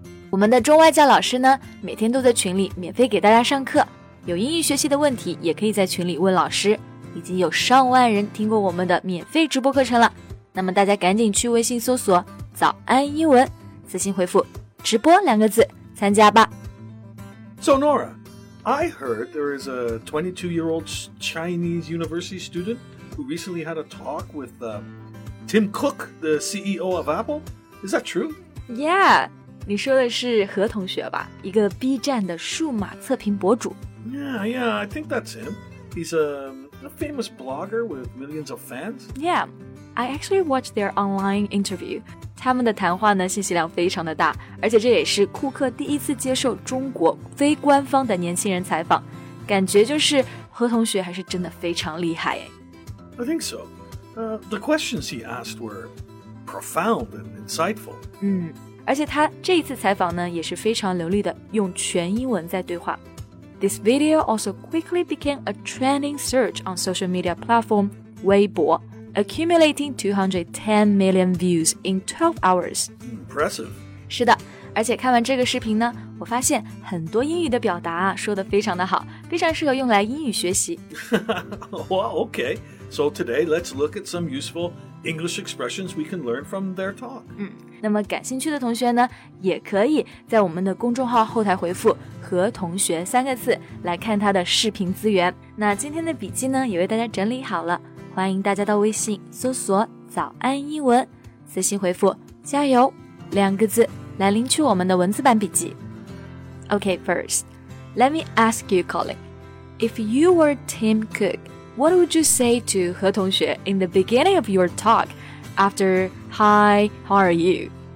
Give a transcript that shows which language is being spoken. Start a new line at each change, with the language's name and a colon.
Chinese: 我们的中外教老师呢，每天都在群里免费给大家上课，有英语学习的问题也可以在群里问老师，已经有上万人听过我们的免费直播课程了。那么大家赶紧去微信搜索早安英文，私信回复直播两个字参加吧。
English: So Nora, I heard there is a 22-year-old Chinese university student who recently had a talk with Tim Cook, the CEO of Apple. Is that true?
Chinese: Yeah, 你说的是何同学吧？一个 B 站的数码测评博主。
English: Yeah, I think that's him. He's a famous blogger with millions of fans. Yeah, I actually watched their online interview.
Chinese: 他们的谈话呢，信息量非常的大，而且这也是库克第一次接受中国非官方的年轻人采访，感觉就是何同学还是真的非常厉害。
English: I think so. The questions he asked were profound and insightful.
Chinese: 而且他这一次采访呢，也是非常流利的用全英文在对话。
English: This video also quickly became a trending search on social media platform Weibo. Accumulating 210 million views in 12 hours. Impressive.
Chinese: 是的，而且看完这个视频呢，我发现很多英语的表达说得非常的好，非常适合用来英语学习。
English: Well, okay. So today, let's look at some useful English expressions we can learn from their talk.
Chinese: 那么感兴趣的同学呢，也可以在我们的公众号后台回复和同学三个字来看他的视频资源。那今天的笔记呢，也为大家整理好了。欢迎大家到微信搜索早安英文，私信回复加油两个字来领取我们的文字版笔记。
English: Okay, first, let me ask you, Colin, if you were Tim Cook, what would you say to 何同学 in the beginning of your talk after, hi, how are you?